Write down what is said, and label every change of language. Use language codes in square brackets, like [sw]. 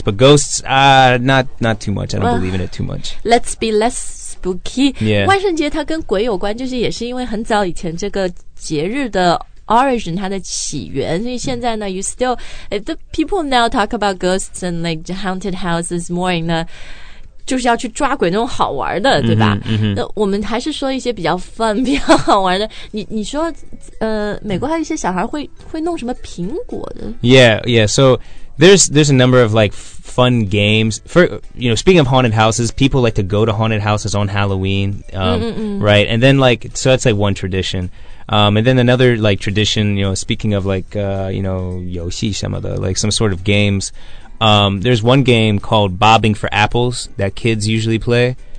[en] But ghosts, not too much. I don't believe in it too much. Let's be less spooky. Yeah. [zh] 万圣节它跟鬼有关就是也是因为很早以前这个节日的origin 它的起源所以现在呢 [en] you still... The people now talk about ghosts and like haunted houses more in the... [zh] 就是要去抓鬼那种好玩的对吧、 mm-hmm, mm-hmm. 那我们还是说一些比较 fun 比较好玩的你说美国还有一些小孩会弄什么苹果的 [en] Yeah, yeah, so there's a number of like fun games for, you know, speaking of haunted houses, people like to go to haunted houses on Halloween, mm-hmm. right? And then like, so that's like one tradition. And then another like tradition, you know, speaking of like, you know, [zh] 游戏什么的 [en] like some sort of games,there's one game called Bobbing for Apples that kids usually play.